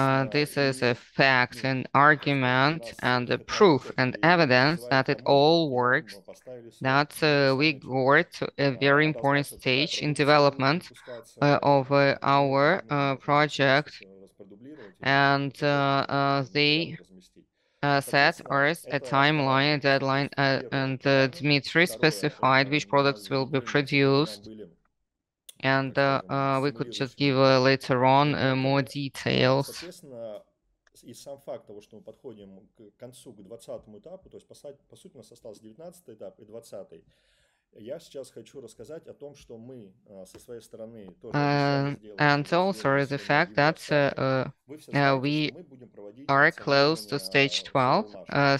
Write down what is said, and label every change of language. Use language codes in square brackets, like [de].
[en] This is a fact, an argument, and a proof and evidence that it all works, that we got a very important stage in development of our project, and they set us a timeline, a deadline, and Dmitry specified which products will be produced. And we could just give later on more details. [ru] И сам факт того, что мы подходим к концу, к 20-му этапу, то есть по сути у нас остался 19-й этап и 20-й. Я сейчас хочу рассказать о том, что мы со своей стороны тоже [en] And also the fact that we are close to stage 12.